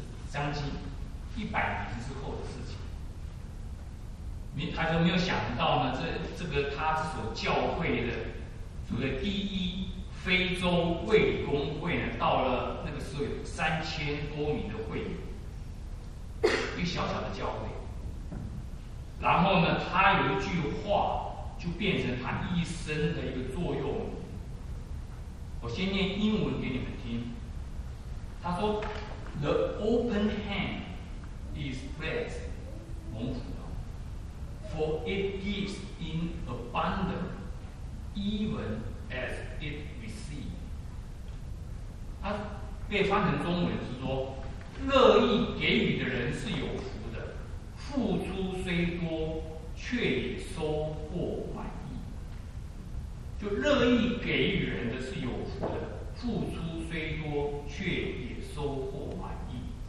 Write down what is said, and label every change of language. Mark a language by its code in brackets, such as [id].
[zh] 将近100年之后的事情，他就没有想到呢，这个他所教会的所谓第一非洲卫理公会呢，到了那个时候有3000多名的会员，一个小小的教会。然后呢，他有一句话就变成他一生的一个座右铭。我先念英文给你们听，他说。 [en] The open hand is blessed， [zh] 蒙福的 [en] ，for it gives in abundance， even as it receives。 [zh] 它被翻成中文是说，乐意给予的人是有福的，付出虽多，却也收获满意。就乐意给予人的是有福的，付出虽多，却也收获满意。